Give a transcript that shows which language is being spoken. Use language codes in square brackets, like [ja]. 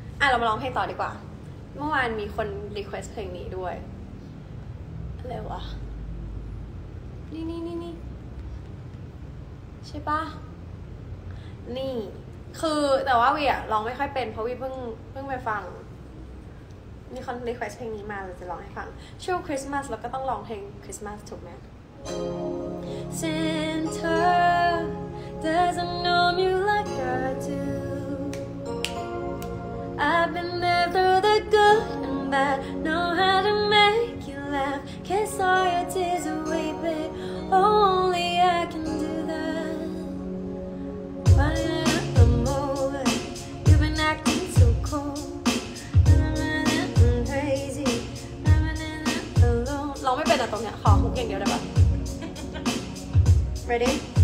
[th] เรามาร้องเพลงต่อดีกว่าเมื่อวานมีคนรีเควสเพลงนี้ด้วยอะไรวะนี่ใช่ป่ะนี่คือแต่ว่าวีอ่ะร้องไม่ค่อยเป็นเพราะวีเพิ่งไปฟังมีคนรีเควสเพลงนี้มาเราจะร้องให้ฟังช่วงคริสต์มาสเราก็ต้องร้องเพลงคริสต์มาสถูกไหม [en] Santa doesn't know me like I do. I've been there through the good and bad. Know how to make you laugh, kiss all your tears away, babe. Only I can do that. Why not the moment you've been acting so cold? I'm crazy. I'm alone. [th] ร้องไม่เป็นอะตรงเนี้ยขอฮุกอย่างเดียวได้ปะ [en] Ready?